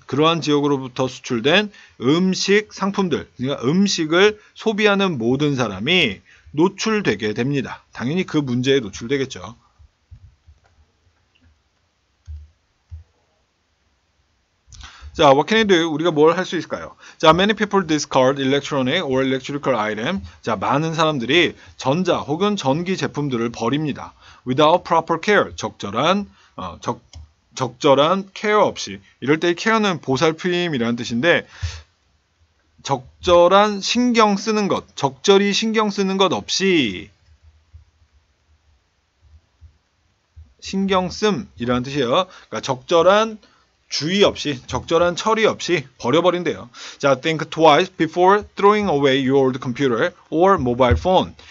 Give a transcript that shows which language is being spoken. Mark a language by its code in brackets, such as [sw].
[ko] 그러한 지역으로부터 수출된 음식 상품들, 그러니까 음식을 소비하는 모든 사람이 노출되게 됩니다. 당연히 그 문제에 노출되겠죠. [en] 자, what can I do? [ko] 우리가 뭘 할 수 있을까요? [en] 자, many people discard electronic or electrical items. [ko] 자, 많은 사람들이 전자 혹은 전기 제품들을 버립니다. [en] Without proper care, [ko] 적절한 케어 없이. 이럴 때 케어는 보살핌이라는 뜻인데 적절히 신경 쓰는 것 없이 신경 씀이라는 뜻이에요. 그러니까 적절한 주의 없이, 적절한 처리 없이 버려버린대요. [en] 자, think twice before throwing away your old computer or mobile phone.